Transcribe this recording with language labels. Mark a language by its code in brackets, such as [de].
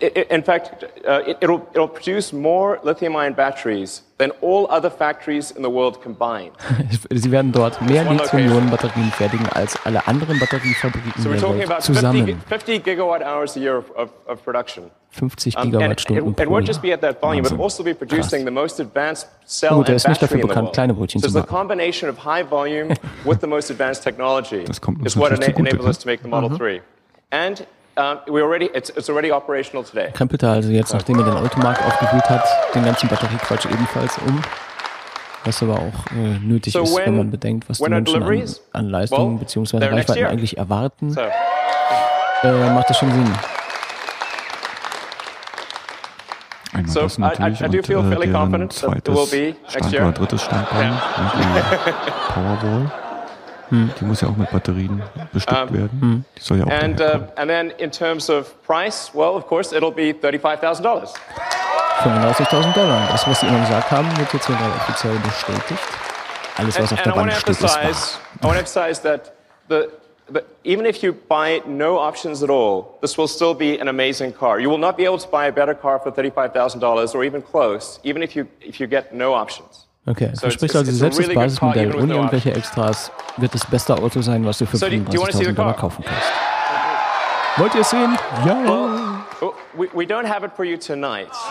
[en] In fact, it'll produce more lithium-ion batteries than all other factories in the world combined. [de] Sie werden dort mehr Lithium-Ionen-Batterien fertigen als alle anderen Batteriefabriken der Welt zusammen. [en] 50 Gigawatt-hours a year of production. [de] 50 Gigawattstunden pro Jahr. [en] It won't just be at that volume, but also be producing the most advanced cell [de] gut, er ist nicht dafür bekannt, kleine Brötchen zu machen. [en] Combination of high volume with the most advanced technology is what enables us to make the Model 3. And it's already operational today. [de] Krempelt er also jetzt, nachdem er den Automarkt aufgewühlt hat, den ganzen Batteriequatsch ebenfalls um. Was aber auch nötig ist, wenn man bedenkt, was die Menschen an Leistungen bzw. Reichweiten eigentlich erwarten. So. Macht das schon Sinn. Einmal das natürlich und drittes Standbein, Powerwall. Die muss ja auch mit Batterien bestückt werden. Die soll ja auch [en] And then in terms of price, well, of course, it'll be $35,000. $35,000. [de] Das, was Sie immer gesagt haben, wird jetzt hier offiziell bestätigt. Alles, was auf der Wand steht, ist wahr. [en] I want to emphasize that even if you buy no options at all, this will still be an amazing car. You will not be able to buy a better car for $35,000 or even close, even if you get no options. [de] Okay, du sprichst also selbst das Basismodell ohne irgendwelche Extras wird das beste Auto sein, was du für 35.000 Dollar kaufen kannst. Yeah. Wollt ihr es sehen? Ja! [en] We don't have it for you tonight.